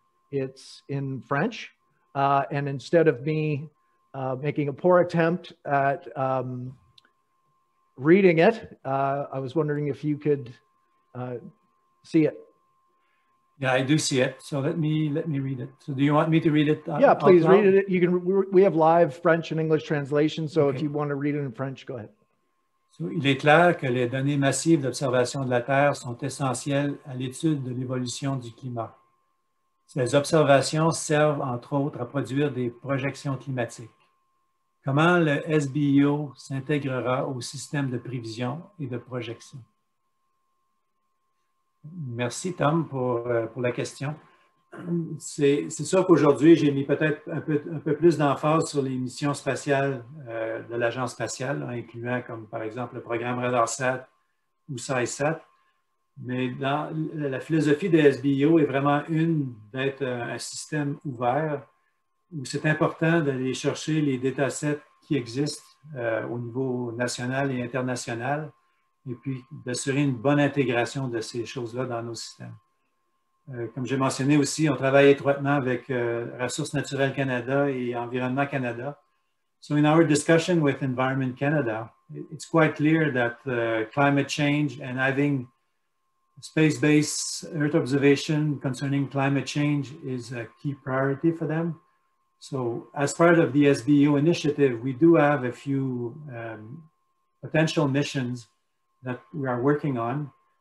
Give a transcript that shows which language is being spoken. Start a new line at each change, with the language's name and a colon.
English: It's in French. And instead of me making a poor attempt at reading it, I was wondering if you could see it. Yeah, I do see it. So let me read it. So do you want me to read it? Yeah, please read it. You can. We have live French and English translations. So okay. If you want to read it in French, go ahead.
French: So il est clair que les données massives d'observation de la Terre sont essentielles à l'étude de l'évolution du climat. Ces observations servent entre autres à produire des projections climatiques. Comment le SBEO s'intégrera au système de prévision et de projection? Merci, Tom, pour la question. C'est sûr qu'aujourd'hui, j'ai mis peut-être un peu plus d'emphase sur les missions spatiales de l'agence spatiale, là, incluant comme par exemple le programme RadarSat ou SciSat. Mais dans la philosophie des SBEO est vraiment une d'être un système ouvert où c'est important d'aller chercher les datasets qui existent au niveau national et international, et puis d'assurer une bonne intégration de ces choses-là dans nos systèmes. Comme j'ai mentionné aussi, on travaille étroitement avec Ressources naturelles Canada et Environnement Canada.
English: So in our discussion with Environment Canada, it's quite clear that climate change and having space-based Earth observation concerning climate change is a key priority for them. So as part of the SBEO initiative, we do have a few potential missions that we are working on.